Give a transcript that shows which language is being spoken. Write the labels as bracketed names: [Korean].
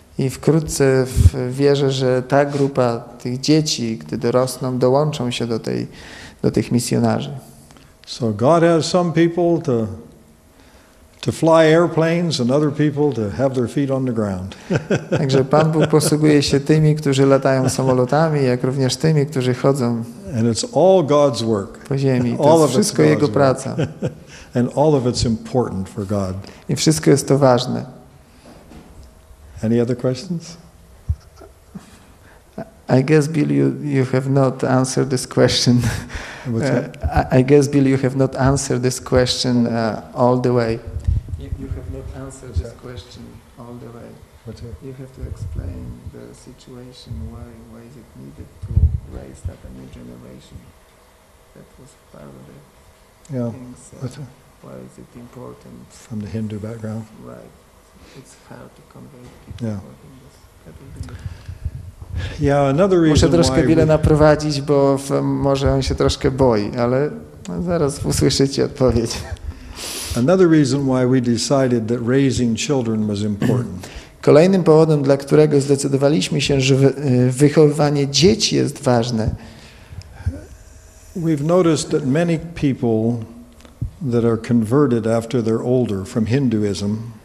[Polish] I wkrótce wierzę, że ta grupa tych dzieci, gdy dorosną, dołączą się do tych misjonarzy. [English] So God has some people to fly airplanes and other people to have their feet on the ground. [Polish] Także Pan Bóg posługuje się tymi, którzy latają samolotami, jak również tymi, którzy chodzą. [English] And it's all God's work. [Polish] Po ziemi. To all jest wszystko Jego praca. [English] And all of it's important for God. [Polish] I wszystko jest to ważne. [English] Any other questions? I guess, Bill, you have not answered this question. What's that? I guess, Bill, you have not answered this question all the way. You have not answered this question all the way. What's that? You have to explain the situation. Why is it needed to raise up a new generation? That was part of the things. Why is it important? From the Hindu background. Right. It's hard to convey people who are Hindus. Yeah, another reason. [Polish] Muszę troszkę Bilę naprowadzić, bo może on się troszkę boi, ale zaraz usłyszycie odpowiedź. [English] Another reason why we decided that raising children was important. [Polish] Kolejnym powodem, dla którego zdecydowaliśmy się, że wychowywanie dzieci jest ważne. [English] We've noticed that many people that are converted after they're older from Hinduism.